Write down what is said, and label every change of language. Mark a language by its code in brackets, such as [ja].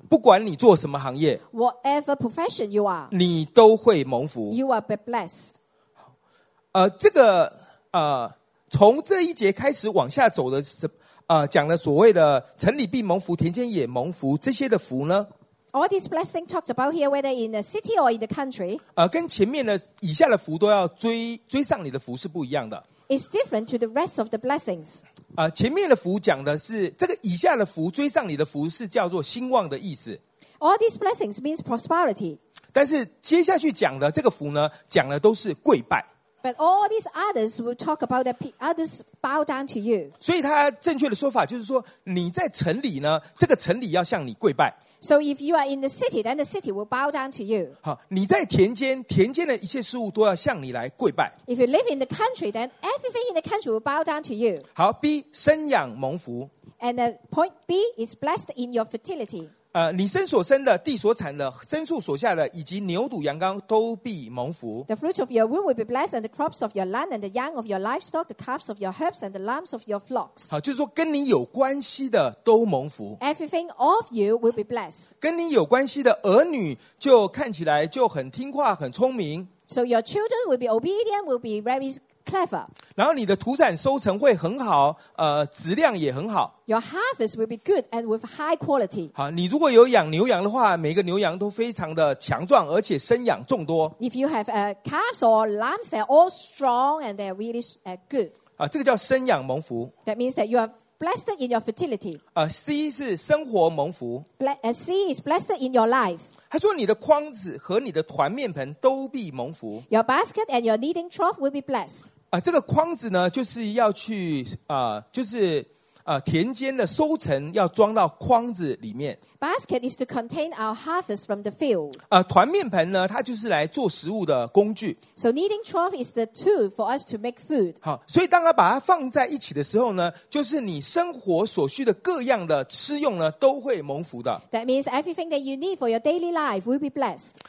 [zh] 不管你做什么行业 [en] ，whatever profession you are， [zh] 你都会蒙福 [en] ，you will be blessed。 [zh] 这个从这一节开始往下走的讲了所谓的城里必蒙福，田间也蒙福，这些的福呢 [en] All this blessing talked about here whether in the city or in the country [zh] 跟前面的以下的福都要追上你的福是不一样的 [en] It's different to the rest of the blessings [zh] 前面的福讲的是这个以下的福追上你的福是叫做兴旺的意思 [en] All these blessings means prosperity [zh] 但是接下去讲的这个福呢讲的都是跪拜 [en] But all these others will talk about that others bow down to you. [zh] 所以他正确的说法就是说，你在城里呢，这个城里要向你跪拜。 [en] So if you are in the city, then the city will bow down to you. [zh] 好，你在田间，田间的一切事物都要向你来跪拜。 [en] If you live in the country, then everything in the country will bow down to you. [zh] 好 ，B 生养蒙福。 [en] And point B is blessed in your fertility. [zh] 你生所生的，地所产的，牲畜所下的，以及牛犊羊羔都必蒙福。 [en] The fruit of your womb will be blessed, and the crops of your land, and the young of your livestock, the calves of your herds, and the lambs of your flocks. [zh] 好，就是说跟你有关系的都蒙福。 [en] Everything of you will be blessed. [zh] 跟你有关系的儿女就看起来就很听话，很聪明。 [en] So your children will be obedient, will be very clever. [zh] 然后你的土产收成会很好，质量也很好。 [en] Your harvest will be good and with high quality. [zh] 好，你如果有养牛羊的话，每个牛羊都非常的强壮，而且生养众多。 [en] If you have calves or lambs, they're all strong and they're really good. [zh] 啊，这个叫生养蒙福。 [en] That means that you are blessed in your fertility. [zh] C 是生活蒙福。 [en] C is blessed in your life. [zh] 他说你的筐子和你的团面盆都必蒙福。 [en] Your basket and your kneading trough will be blessed. [zh] 这个筐子呢，就是要去就是田间的收成要装到筐子里面。 [en] Basket is to contain our harvest from the field. [zh] 团面盆呢，它就是来做食物的工具。 [en] So kneading trough is the tool for us to make food. [zh] 好，所以当它把它放在一起的时候呢，就是你生活所需的各样的吃用呢，都会蒙福的。 [en] That means everything that you need for your daily life will be blessed.